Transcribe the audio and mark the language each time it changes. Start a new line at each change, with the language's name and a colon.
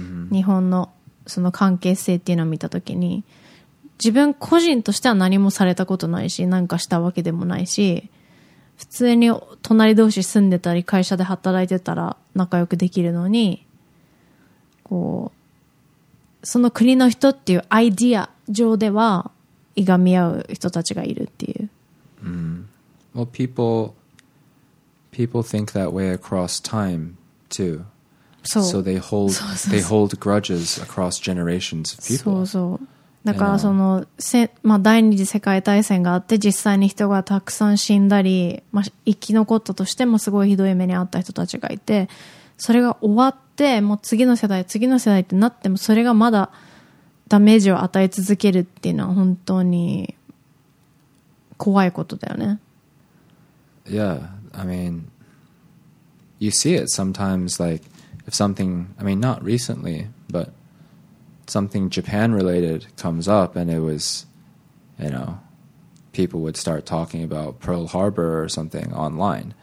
Japanese: 日本のその関係性っていうのを見たときに、自分個人としては何もされたことないし、何かしたわけでもないし、普通に隣同士住んでたり会社で働いてたら仲良くできるのに、こうその国の人っていうアイディア上ではいがみ合う人たちがいるっていう。
English: Well, people think that way across time too. So they hold grudges across generations of people.
Japanese: そうそう。だからその、第二次世界大戦があって実際に人がたくさん死んだり、生き残ったとしてもすごいひどい目に遭った人たちがいて、それが終わってもう次の世代ってなってもそれがまだダメージを与え続けるっていうのは本当に怖いことだよね。
English: Yeah. I mean, you see it sometimes, like, if something, I mean, not recently, but something Japan-related comes up and it was, you know, people would start talking about Pearl Harbor or something online.